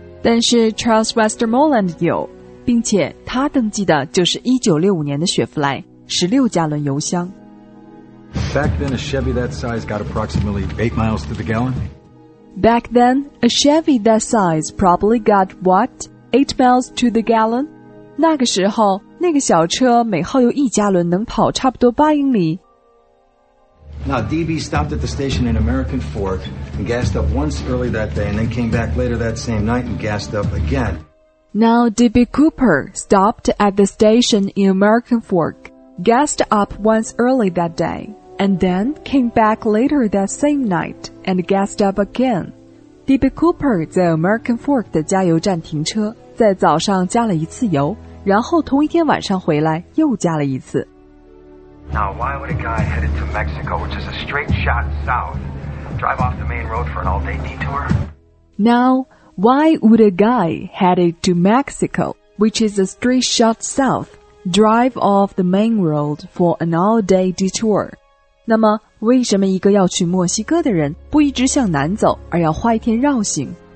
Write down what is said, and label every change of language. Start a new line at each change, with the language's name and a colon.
Chinese: 但是 Charles Westmoreland 有，并且他登记的就是1965年的雪佛兰，16-gallon 油箱。
English: Back then, a Chevy that size got approximately 8 miles to the gallon. Back then, a Chevy that size probably got what? 8 miles to the gallon?
Chinese: 那个时候，那个小车每耗油一加仑能跑差不多8英里。
English: Now, DB stopped at the station in American Fork and gassed up once early that day and then came back later that same night and gassed up again. Now, DB Cooper stopped at the station in American Fork, gassed up once early that day. And then came back later that same night and gassed up again.
Chinese: D.B. Cooper 在 American Fork 的加油站停车，在早上加了一次油，然后同一天晚上回来又加了一次。
English: Now why would a guy headed to Mexico, which is a straight shot south, drive off the main road for an all-day detour? Now why would a guy headed to Mexico, which is a straight shot south, drive off the main road for an all-day detour?
Chinese: 那么为什么一个要去墨西哥的人不一直向南走而要花一天绕行